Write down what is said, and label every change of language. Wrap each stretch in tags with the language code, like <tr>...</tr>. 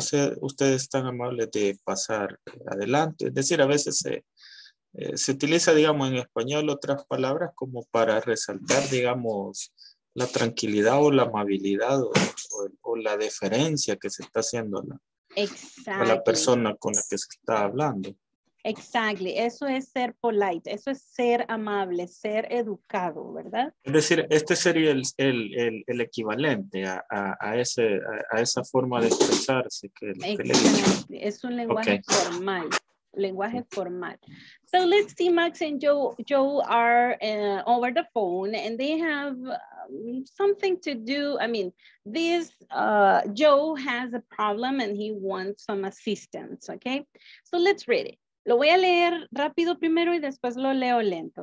<es>ser ustedes tan amables de pasar adelante, es decir a veces se utiliza digamos en español otras palabras como para resaltar digamos la tranquilidad o la amabilidad o la deferencia que se está haciendo a la persona con la que se está hablando. Exactly. Eso es ser polite. Eso es ser amable, ser educado, ¿verdad? Es decir, este sería el equivalente a esa forma de expresarse. Es un lenguaje okay. formal. Lenguaje formal.</es> <en>So let's see, Max and Joe are over the phone and they have something to do. I mean, this Joe has a problem and he wants some assistance. Okay. So let's read it.</en> <es>Lo voy a leer rápido primero y después lo leo lento.</es>